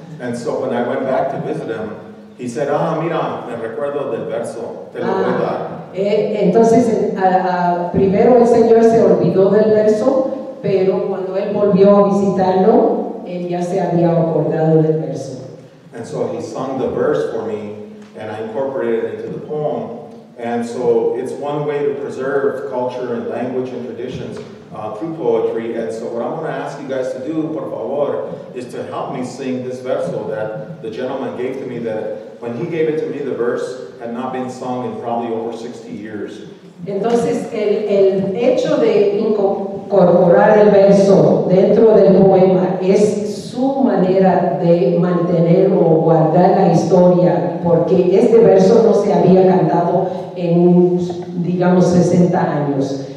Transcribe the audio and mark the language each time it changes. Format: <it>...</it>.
<en>And so when I went back to visit him, he said,</en> <es>ah, mira, me recuerdo del verso, te lo voy a dar. Entonces, primero el señor se olvidó del verso, pero cuando él volvió a visitarlo, él ya se había acordado del verso.</es> <en>And so he sung the verse for me, and I incorporated it into the poem. And so it's one way to preserve culture and language and traditions through poetry. And so what I'm going to ask you guys to do,</en> <es>por favor,</es> <en>is to help me sing this verso that the gentleman gave to me, that when he gave it to me, the verse had not been sung in probably over 60 years.</en> <es>Entonces, el hecho de incorporar el verso dentro del poema es su manera de mantener o guardar la historia, porque este verso no se había cantado en, digamos, 60 años.</es>